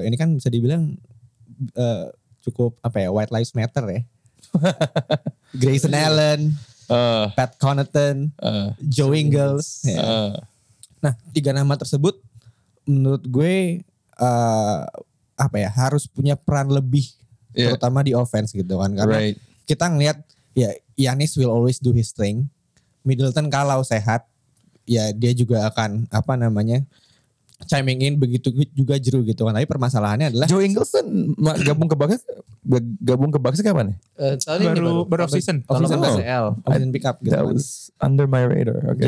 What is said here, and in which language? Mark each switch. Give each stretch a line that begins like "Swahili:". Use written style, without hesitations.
Indonesian: Ini kan bisa dibilang cukup apa ya, White Lives Matter ya. Grayson Allen. Pat Connaughton, Joe Ingles. Nah, tiga nama tersebut menurut gue apa ya, harus punya peran lebih terutama di offense gitu kan. Karena kita ngelihat ya Giannis
English: will always do his thing.
Indonesian: Middleton kalau sehat ya dia juga akan apa namanya chiming in, begitu juga Jeru gitu kan. Tapi permasalahannya adalah Joe Ingles gabung ke Bucks. Gabung ke Bucks kapan nih? Baru off-season. Off-season pick up gitu.
English: That was under my radar. Okay.